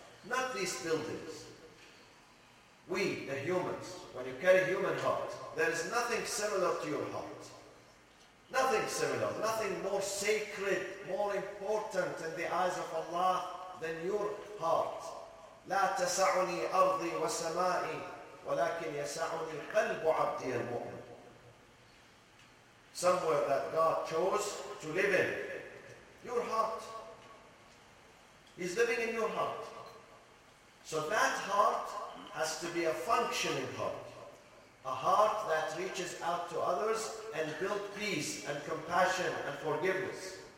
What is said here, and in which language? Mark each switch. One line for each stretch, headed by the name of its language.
English: Not these buildings. We, the humans, when you carry human heart, there is nothing similar to your heart. Nothing similar, nothing more sacred, more important in the eyes of Allah than your heart.
Arabic: لا تسعني أرضي وسمائي ولكن يسعني قلب عبدي المؤمن.
English: Somewhere that God chose to live in. Your heart. He's living in your heart. So that heart has to be a functioning heart. A heart that reaches out to others and builds peace and compassion and forgiveness.